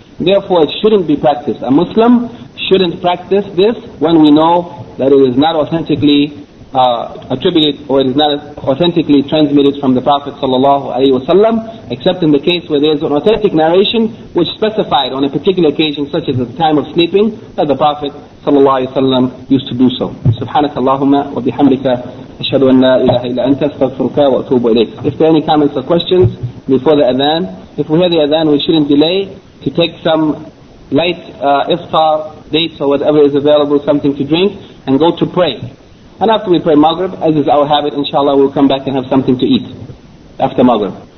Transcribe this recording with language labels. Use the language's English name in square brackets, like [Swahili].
[English] Therefore, it shouldn't be practiced. A Muslim shouldn't practice this when we know that it is not authentically attributed or it is not authentically transmitted from the Prophet ﷺ, except in the case where there is an authentic narration which specified on a particular occasion, such as at the time of sleeping, that the Prophet ﷺ used to do so. [Arabic] Subhanakallahumma wa bihamdika. أشهد أن لا إله إلا أنت استغفرك وأتوب إليك. [English] If there are any comments or questions before the Adhan, if we hear the Adhan, we shouldn't delay to take some light iftar dates or whatever is available, something to drink, and go to pray. And after we pray Maghrib, as is our habit, inshallah, we'll come back and have something to eat after Maghrib.